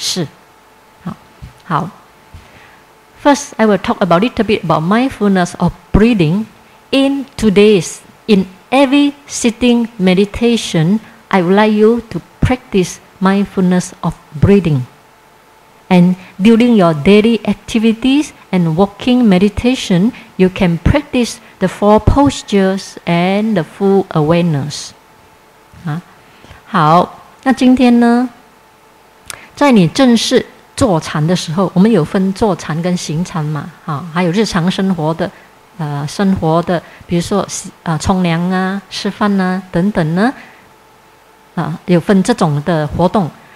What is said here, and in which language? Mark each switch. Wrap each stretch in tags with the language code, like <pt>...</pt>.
<zh>那安般念呢，我已经讲过很多次了，所以在这边呢，我不会很详细的解说。但是呢，对那些初学者呢，等下九点多小餐的时候呢，我会跟你详细解释。好，好。</zh> <en>First, I will talk about little bit about mindfulness of breathing. In today's, in every sitting meditation, I would like you to practice mindfulness of breathing. And during your daily activities and walking meditation, you can practice the four postures and the full awareness.</en> <zh>好，那今天呢，在你正式坐禅的时候，我们有分坐禅跟行禅嘛，还有日常生活的，比如说冲凉啊、吃饭啊等等呢，有分这种的活动。</zh>